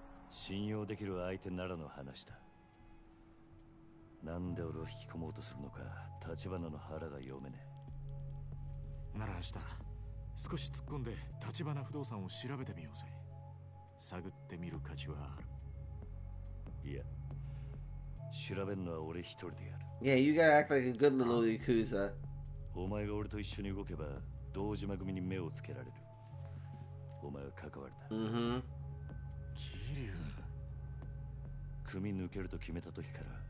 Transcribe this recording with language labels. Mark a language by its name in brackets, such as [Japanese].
[Japanese] 信用できる相手ならの話だ。なんで俺を引き込もうとするのか、立花の腹が読めねえ。なら明日、少し突っ込んで立花不動産を調べてみようぜ。探ってみる価値はある。いや、調べるのは俺一人でやる。 [English] Yeah, you gotta act like a good little Yakuza. [Japanese] お前が俺と一緒に動けば、堂島組に目をつけられる。お前は関わりだ。桐生。組抜けると決めた時から。